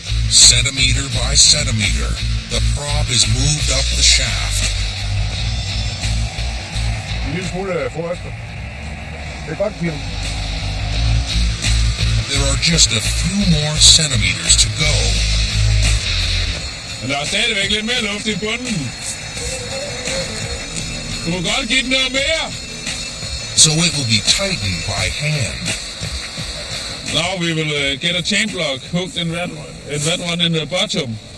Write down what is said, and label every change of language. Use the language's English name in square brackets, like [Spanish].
[English] Centimeter by centimeter, the prop is moved up the shaft. There are just a few more centimeters to go. [Danish] Men der er stadigvæk lidt mere luft i bunden. Du må godt give den noget mere. [English] So it will be tightened by hand. Now we will get a chain block hooked in that, one in the bottom.